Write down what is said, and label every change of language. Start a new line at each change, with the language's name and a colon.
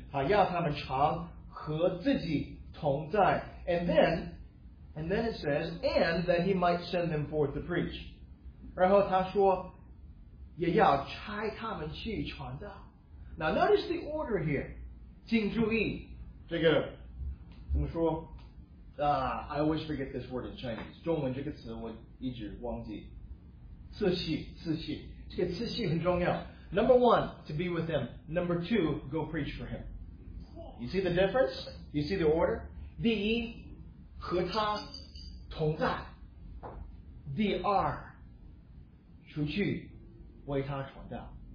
Chinese: 他要他们常和自己同在.
English: And then it says, and that he might send them forth to preach.
Chinese: 然后他说也要差他们去传道.
English: Now notice the order here.
Chinese: 请注意这个怎么说?
English: I always forget this word in Chinese.
Chinese: 中文这个词我一直忘记. 次序,这个次序很重要.
English: Number one, to be with him. Number two, go preach for him. You see the difference? You see the order?
Chinese: 第一,和他同在. 第二,出去为他传道.